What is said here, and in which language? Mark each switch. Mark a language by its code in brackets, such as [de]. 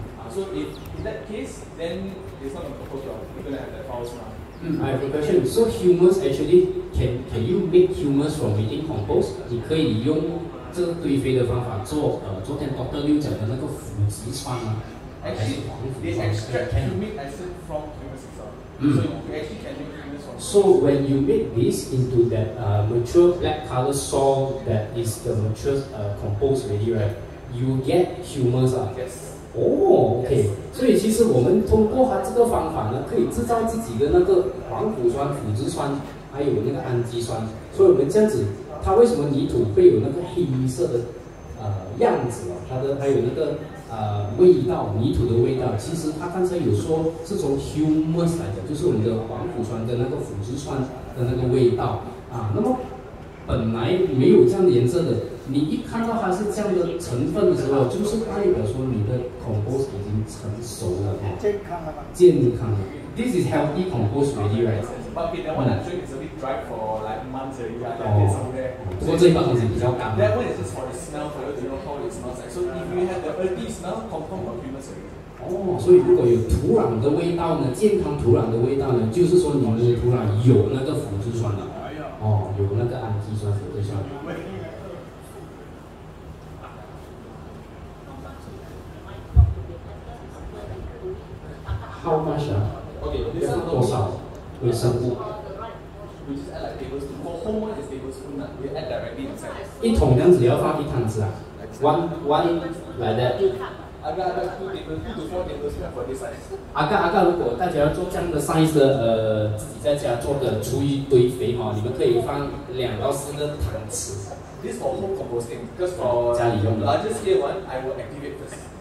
[en] So in that case, then it's not a compost job. You're going to have that foul smell. I have a question. So humus actually, can you make humus from within compost? [zh] 你可以用 这个堆肥的方法做昨天Dr.Liu讲的那个腐殖酸啊 [en] Actually, they extract humic acid from humus itself. So you actually can make humus from So when you make this into that mature black color soil that is the mature compost ready, right? You get humus. Yes. Oh, okay. Yes. [zh] 所以其实我们通过它这个方法呢，可以制造自己的那个黄腐酸、腐殖酸，还有那个氨基酸。所以我们这样子。它为什么泥土会有那个黑色的样子哦？它的还有那个味道，泥土的味道。其实它刚才有说是从 humus 来的，就是我们的黄腐酸跟那个腐殖酸的那个味道啊。那么本来没有这样的颜色的，你一看到它是这样的成分的时候，就是代表说你的 compost 已经成熟了，健康了吗？健康了。 [en] This is healthy compost ready, right? But okay, that one actually is a bit dry for like months already. Oh. Somewhere. So this one is a bit That one is just for the smell, for you to know how it smells like. So if you have the earthy smell, compost for humus already. [zh] 哦，所以如果有土壤的味道呢，健康土壤的味道呢，就是说你的土壤有那个腐殖酸了，有那个氨基酸腐殖酸。 [en] How much? Okay, this is how much? We just add like tablespoon. For whole one is tablespoon, we add directly inside. [zh] 一桶这样子要放一汤匙啊? [en] One like that. Aga, 2 to 4 tablespoons for this size. [zh] Aga, 如果大家要做这样的 size 的，自己在家做的厨余堆肥哈，你们可以放2到4个汤匙。 [en] this for home composting, because for the larger scale one, I will activate first.